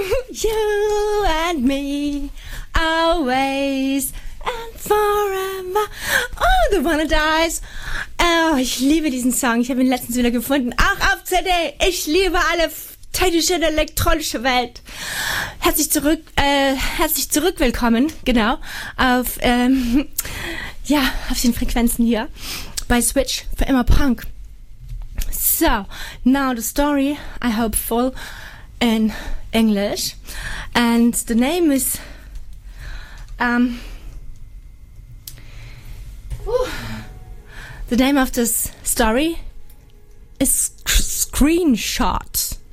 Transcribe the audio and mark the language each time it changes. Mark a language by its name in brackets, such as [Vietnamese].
[English] you and me, always and forever. Oh, the one that dies. [German] Oh, ich liebe diesen Song. Ich habe ihn letztens wieder gefunden. Auch auf CD. Ich liebe alle technische und elektronische Welt. Herzlich zurück. Willkommen. Genau. Auf den Frequenzen hier. Bei Switch. Für immer Punk. [English] So, now the story, I hope full in English, and the name is, the name of this story is Screenshot.